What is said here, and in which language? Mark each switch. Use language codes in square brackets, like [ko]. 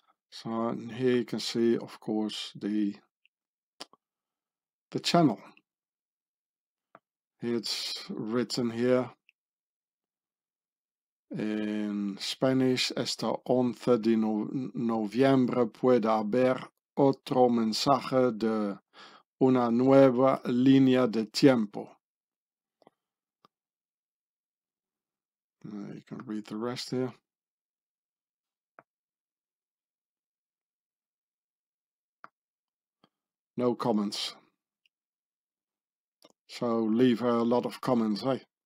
[en] So here you can see, of course, the channel. It's written here in Spanish, [es] este 11 de noviembre puede haber otro mensaje de una nueva línea de tiempo. [en] You can read the rest here. No comments. So leave a lot of comments, eh?